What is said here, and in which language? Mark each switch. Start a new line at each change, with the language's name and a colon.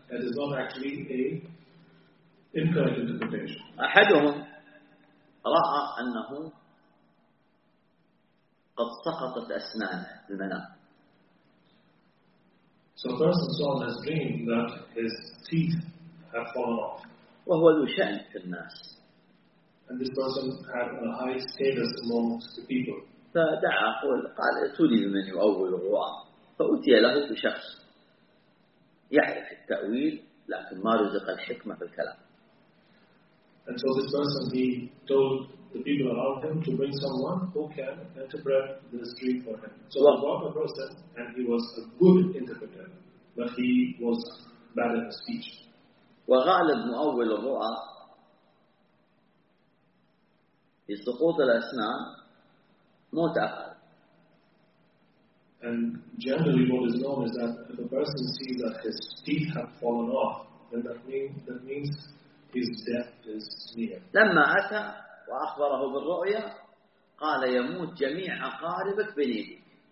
English: It is not actually a incorrect interpretation.
Arabic: أحدهم رأى أنه قد سقطت أسنانه في المنام.
English: So a person saw in his dream that his teeth have fallen off.
Arabic: وهو ذو شأن في الناس.
English: And this person had a high status amongst the people.
Arabic: فدعا قال اتوني بمن يؤول الرؤى. فأتي له بشخص يعرف التأويل لكن ما رزق الحكمة في الكلام.
English: And so this person he told the people around him to bring someone who can interpret the dream for him. So he brought a person and he was a good interpreter, but he was bad at speech.
Arabic: وغالب مؤول الرؤى في سقوط الأسنان موت أقل.
English: And generally what is known is that if a person sees that his teeth have fallen off, then that means his death is near.
Arabic: لما أتى وأخبره بالرؤية قال يموت جميع أقاربك بنيدك.